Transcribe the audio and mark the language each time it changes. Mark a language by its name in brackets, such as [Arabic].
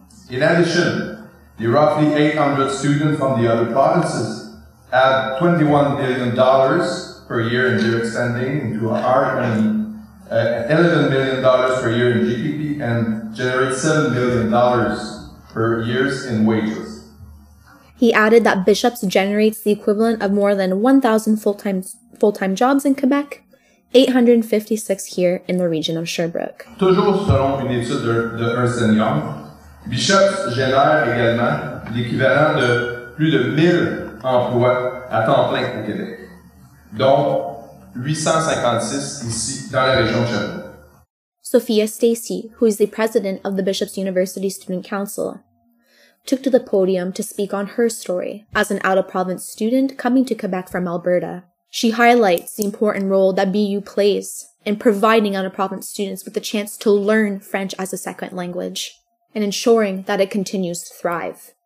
[English] In addition, the roughly 800 students from the other provinces add $21 million per year in direct spending into our economy, $11 million per year in GDP, and generate $7 million per year in wages. He added that Bishop's generates the equivalent of more than 1,000 full-time jobs in Quebec, 856 here in the region of Sherbrooke. [French] Toujours selon une étude de Ernst & Young, Bishop génère également l'équivalent de plus de 1000 emplois à temps plein au Québec, dont 856 ici dans la région de Sherbrooke. [English] Sophia Stacy, who is the president of the Bishop's University Student Council, took to the podium to speak on her story as an out-of-province student coming to Quebec from Alberta. She highlights the important role that BU plays in providing out-of-province students with the chance to learn French as a second language and ensuring that it continues to thrive.